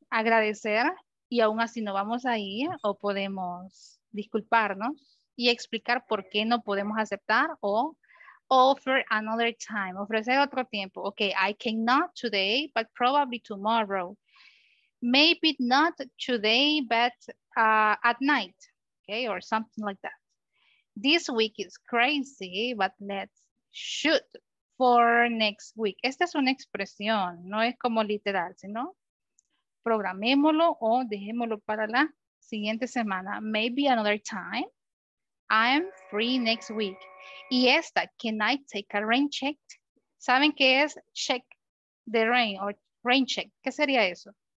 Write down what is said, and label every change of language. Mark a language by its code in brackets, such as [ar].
[es] Agradecer y aún así no vamos a ir o podemos disculparnos y explicar por qué no podemos aceptar o [en] offer another time, [es] ofrecer otro tiempo. [en] Okay, I cannot today, but probably tomorrow. Maybe not today, but at night, okay, or something like that. This week is crazy, but let's shoot for next week. [es] Esta es una expresión, no es como literal, sino programémoslo o dejémoslo para la siguiente semana. [en] Maybe another time. I'm free next week. [es] Y esta, [en] can I take a rain check? [es] ¿Saben qué es [en] check the rain or rain check? [es] ¿Qué sería eso?